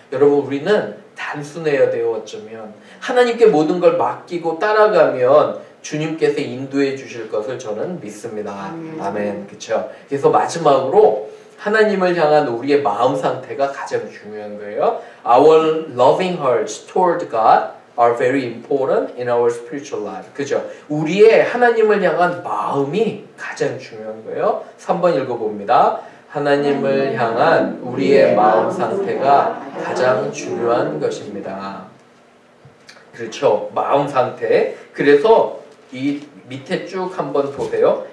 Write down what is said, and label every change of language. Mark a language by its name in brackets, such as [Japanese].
[Korean] 여러분 우리는 단순해야 돼요. 어쩌면 하나님께 모든 걸 맡기고 따라가면 주님께서 인도해 주실 것을 저는 믿습니다. 아멘. 그쵸? 그래서 마지막으로 하나님을 향한 우리의 마음 상태가 가장 중요한 거예요. [English] Our loving hearts toward God are very important in our spiritual life. [Korean] 그죠? 우리의 하나님을 향한 마음이 가장 중요한 거예요. 3번 읽어봅니다. 하나님을 향한 우리의 마음 상태가 가장 중요한 것입니다. 그렇죠. 마음 상태. 그래서 이 밑에 쭉 한번 보세요.